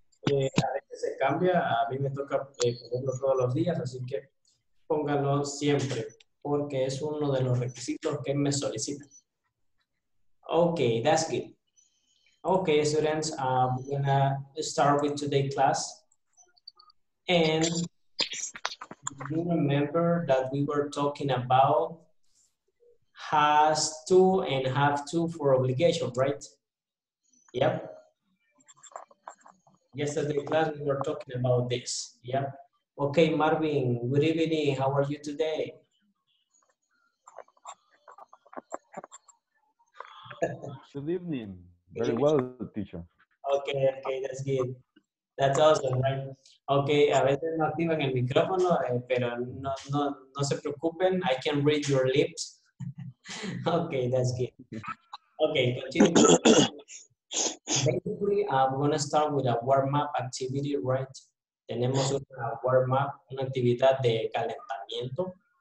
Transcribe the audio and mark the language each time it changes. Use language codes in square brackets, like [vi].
[es] A veces se cambia, a mí me toca ponerlo todos los días, así que pónganlo siempre, porque es uno de los requisitos que me solicitan. [en] Okay, that's good. Okay, students, I'm gonna start with today's class. And you remember that we were talking about has to and have to for obligation, right? Yep. Yesterday class we were talking about this. Yeah. Okay, Marvin, good evening. How are you today? Good evening. Very well, teacher. Okay, okay, that's good. That's awesome, right? [es] Okay, a veces no activan el micrófono, pero no se preocupen. [en] I can read your lips. Okay, that's good. Okay, continue. Basically, I'm going to start with a warm-up activity, right? [es] Tenemos una warm-up, una actividad de calentamiento.